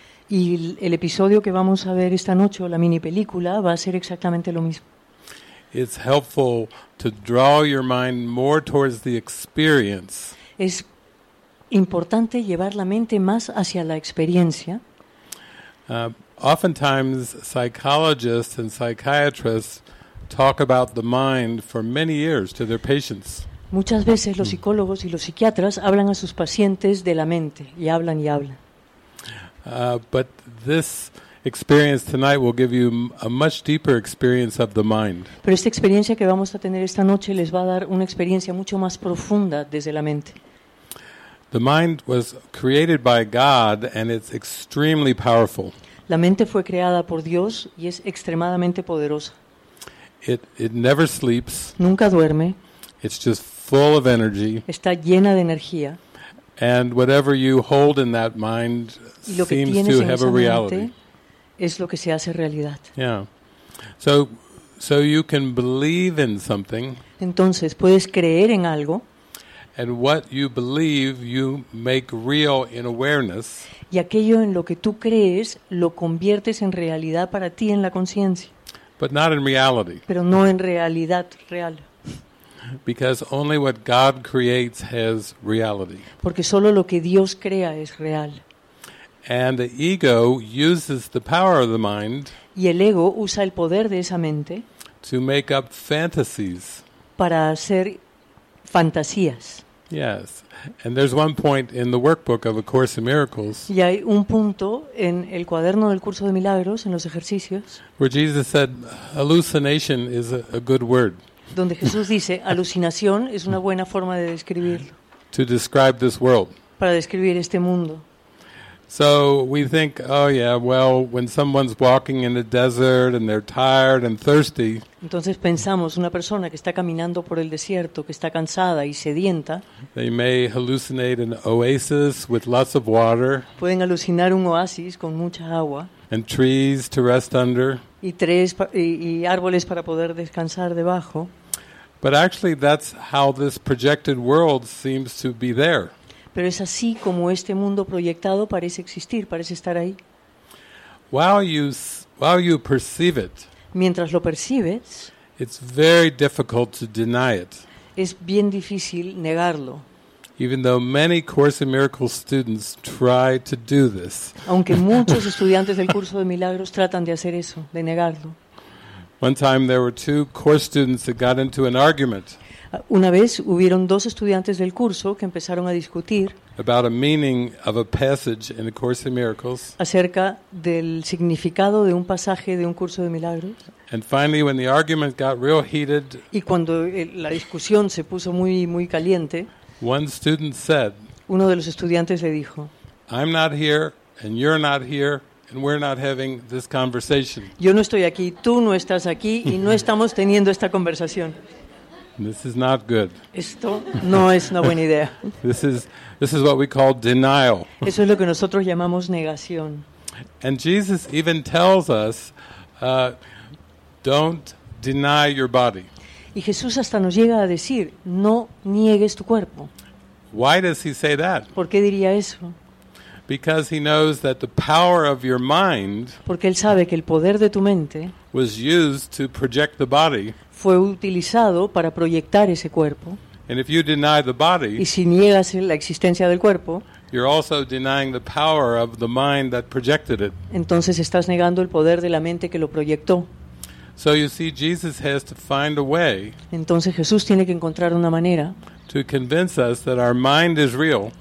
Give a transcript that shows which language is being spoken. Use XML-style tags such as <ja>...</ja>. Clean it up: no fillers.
<es>Y el episodio que vamos a ver esta noche o la mini película va a ser exactamente lo mismo.</es> <en>It's helpful to draw your mind more towards the experience.</en> <es>Es importante llevar la mente más hacia la experiencia.</es> <en>Oftentimes, psychologists and psychiatrists talk about the mind for many years to their patients.</en> <es>Muchas veces los psicólogos y los psiquiatras hablan a sus pacientes de la mente y hablan y hablan.</es> <en>But this experience tonight will give you a much deeper experience of the mind.</en> <es>Pero esta experiencia que vamos a tener esta noche les va a dar una experiencia mucho más profunda desde la mente.</es> <en>The mind was created by God and it's extremely powerful.</en> <es>La mente fue creada por Dios y es extremadamente poderosa.</es> <en>It never sleeps.</en> <es>Nunca duerme.</es> <en>It's just full of energy.</en> <es>Está llena de energía.</es> <en>And whatever you hold in that mind seems to have a reality.</en> <es>Es lo que se hace realidad.</es> <en>Yeah. So you can believe in something.</en> <es>Entonces, puedes creer en algo.</es> <en>And what you believe, you make real in awareness.</en> <es>Y aquello en lo que tú crees, lo conviertes en realidad para ti en la conciencia.</es> <en>But not in reality.</en> <es>Pero no en realidad real.</es> <en>Because only what God creates has reality.</en> <es>Porque solo lo que Dios crea es real.</es> <en>And the ego uses the power of the mind.</en> <es>Y el ego usa el poder de esa mente.</es> <en>To make up fantasies.</en> <es>Para hacer fantasías.</es> <en>Yes, and there's one point in the workbook of A Course in Miracles.</en> <es>Y hay un punto en el cuaderno del curso de milagros en los ejercicios.</es> <en>Where Jesus said, "Hallucination is a good word."</en> <es>Donde Jesús dice, alucinación es una buena forma de describirlo.</es> <en>To describe this world.</en> <es>Para describir este mundo.</es> <en>So we think, oh yeah, well, when someone's walking in the desert and they're tired and thirsty.</en> <es>Entonces pensamos, una persona que está caminando por el desierto, que está cansada y sedienta.</es> <en>They may hallucinate an oasis with lots of water.</en> <es>Pueden alucinar un oasis con mucha agua.</es> <en>And trees to rest under.</en> <es>Y árboles para poder descansar debajo.</es> <en>But actually, that's how this projected world seems to be there.</en> <es>Pero es así como este mundo proyectado parece existir, parece estar ahí.</es> <en>While you perceive it,</en> <es>mientras lo percibes,</es> <en>it's very difficult to deny it.</en> <es>Es bien difícil negarlo.</es> <en>Even though many Course in Miracles students try to do this.</en> <es>Aunque muchos estudiantes del curso de milagros tratan de hacer eso, de negarlo.</es> <en>One time there were two course students that got into an argument.</en> <es>Una vez hubieron dos estudiantes del curso que empezaron a discutir</es> <en>about a meaning of a passage in A Course in Miracles.</en> <es>Acerca del significado de un pasaje de un curso de milagros.</es> <en>And finally, when the argument got real heated,</en> <es>y cuando la discusión se puso muy muy caliente,</es> <en>one student said,</en> <es>uno de los estudiantes le dijo,</es> <en>"I'm not here and you're not here and we're not having this conversation."</en> <es>Yo no estoy aquí, tú no estás aquí y no estamos teniendo esta conversación.</es> <en>This is not good.</en> <es>Esto no es una buena idea.</es> <en>This is what we call denial.</en> <es>Eso es lo que nosotros llamamos negación.</es> <en>And Jesus even tells us, don't deny your body.</en> <es>Y Jesús hasta nos llega a decir, no niegues tu cuerpo.</es> <en>Why does he say that?</en> <es>¿Por qué diría eso?</es> <en>Because he knows that the power of your mind,</en> <es>porque él sabe que el poder de tu mente,</es> <en>was used to project the body.</en> <es>Fue utilizado para proyectar ese cuerpo.</es> <en>And if you deny the body,</en> <es>y si niegas la existencia del cuerpo,</es> <en>you're also denying the power of the mind that projected it.</en> <es>Entonces estás negando el poder de la mente que lo proyectó.</es> <en>So you see, Jesus has to find a way.</en> <es>Entonces Jesús tiene que encontrar una manera.</es> <en>To convince us that our mind is real.</en>